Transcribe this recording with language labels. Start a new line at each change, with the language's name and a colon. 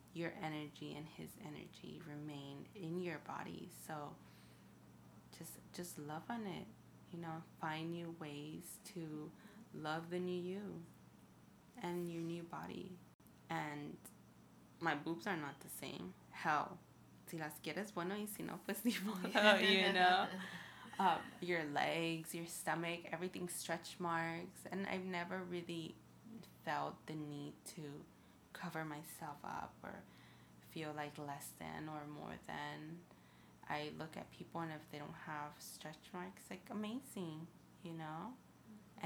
English: Your energy and his energy remain in your body. So just love on it. You know, find new ways to love the new you and your new body. And my boobs are not the same.
Spanish: Hell, si las quieres bueno y si no pues ni modo,
English: you know? Your legs, your stomach, everything stretch marks. And I've never really felt the need to cover myself up or feel like less than or more than. I look at people, and if they don't have stretch marks, like, amazing, you know? Mm-hmm.